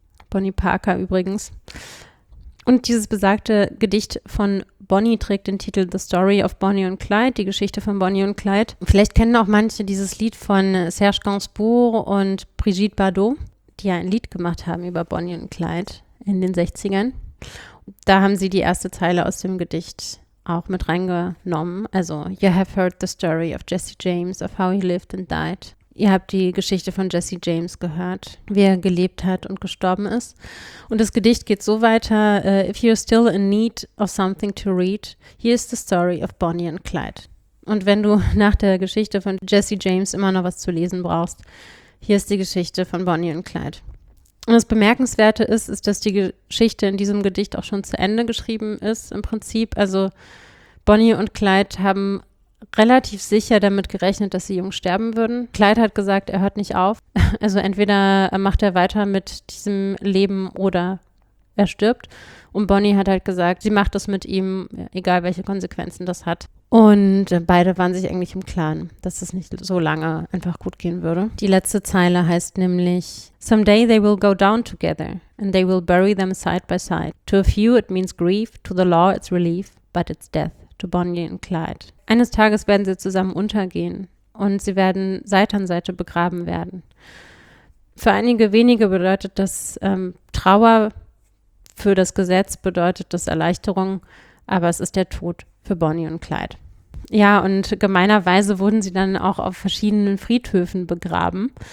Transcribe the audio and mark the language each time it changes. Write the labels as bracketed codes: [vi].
[de] Bonnie Parker übrigens. Und dieses besagte Gedicht von Bonnie trägt den Titel The Story of Bonnie and Clyde, die Geschichte von Bonnie und Clyde. Vielleicht kennen auch manche dieses Lied von Serge Gainsbourg und Brigitte Bardot, die ja ein Lied gemacht haben über Bonnie und Clyde in den 60ern. Da haben sie die erste Zeile aus dem Gedicht auch mit reingenommen. [en] Also, you have heard the story of Jesse James, of how he lived and died. [de] Ihr habt die Geschichte von Jesse James gehört, wie er gelebt hat und gestorben ist. Und das Gedicht geht so weiter. [en] If you're still in need of something to read, here is the story of Bonnie and Clyde. [de] Und wenn du nach der Geschichte von Jesse James immer noch was zu lesen brauchst, hier ist die Geschichte von Bonnie and Clyde. Und das Bemerkenswerte ist, dass die Geschichte in diesem Gedicht auch schon zu Ende geschrieben ist im Prinzip. Also Bonnie und Clyde haben relativ sicher damit gerechnet, dass sie jung sterben würden. Clyde hat gesagt, er hört nicht auf. Also entweder macht er weiter mit diesem Leben oder er stirbt. Und Bonnie hat halt gesagt, sie macht das mit ihm, egal welche Konsequenzen das hat. Und beide waren sich eigentlich im Klaren, dass es nicht so lange einfach gut gehen würde. Die letzte Zeile heißt nämlich, [en] someday they will go down together and they will bury them side by side. To a few it means grief, to the law it's relief, but it's death to Bonnie and Clyde. [de] Eines Tages werden sie zusammen untergehen und sie werden Seite an Seite begraben werden. Für einige wenige bedeutet das Trauer, für das Gesetz bedeutet das Erleichterung, aber es ist der Tod für Bonnie und Clyde. Ja, und gemeinerweise wurden sie dann auch auf verschiedenen Friedhöfen begraben.